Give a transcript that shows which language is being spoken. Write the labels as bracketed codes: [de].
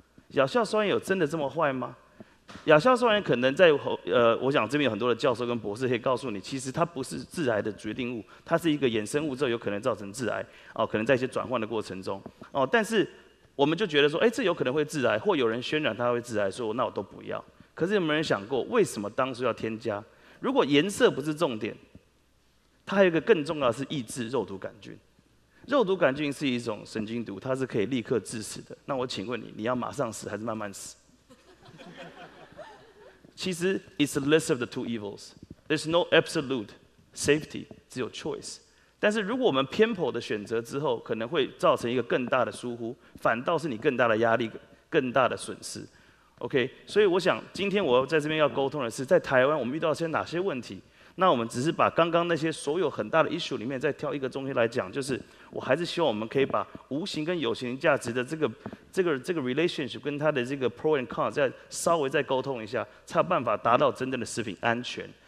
[zh] 亚硝酸盐有真的这么坏吗？亚硝酸盐可能在我想这边有很多的教授跟博士可以告诉你，其实它不是致癌的决定物，它是一个衍生物之后有可能造成致癌，可能在一些转换的过程中，但是我们就觉得说，这有可能会致癌，或有人渲染它会致癌，说那我都不要。可是有没有人想过，为什么当初要添加？如果颜色不是重点，它还有一个更重要的是抑制肉毒杆菌。肉毒杆菌是一种神经毒，它是可以立刻致死的。那我请问你，你要马上死还是慢慢死？其实 [en] it's a list of the two evils. There's no absolute safety, [zh] 只有 [en] choice. [zh] 但是如果我们偏颇的选择之后，可能会造成一个更大的疏忽，反倒是你更大的压力，更大的损失。 OK， 所以我想今天我在这边要沟通的是，在台湾我们遇到些哪些问题？那我们只是把刚刚那些所有很大的 issue 里面再挑一个中心来讲，就是我还是希望我们可以把无形跟有形价值的这个 relationship 跟它的这个 [en] pro and con [zh] 再稍微再沟通一下，才有办法达到真正的食品安全。